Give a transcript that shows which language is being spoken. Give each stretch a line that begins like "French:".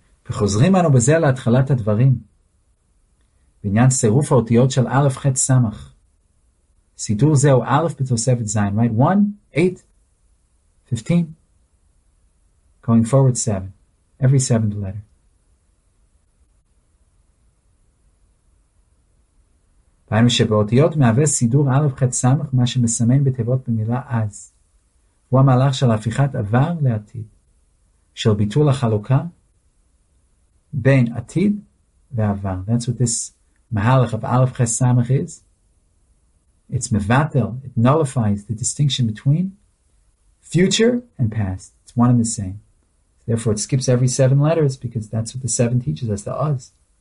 Hebrew: וחוזרים אנו בזה להתחלת הדברים, בעניין סירוף האותיות של א' ח' ס'. סידור זה הוא א' בתוספת ז',
English: right? 1, 8, 15. Going forward 7, every 7th letter.
Hebrew: ראינו שבאותיות מהווה סידור א' ח' ס', מה שמסמן בתיבות במילה אז. הוא המהלך של הפיכת עבר לעתיד, של ביטול החלוקה, בין עתיד ועבר.
English: That's what this מהלך of א' ח' ס' is. It's mevatel, it nullifies the distinction between future and past. It's one and the same. Therefore, it skips every seven letters because that's what the seven teaches us, the us.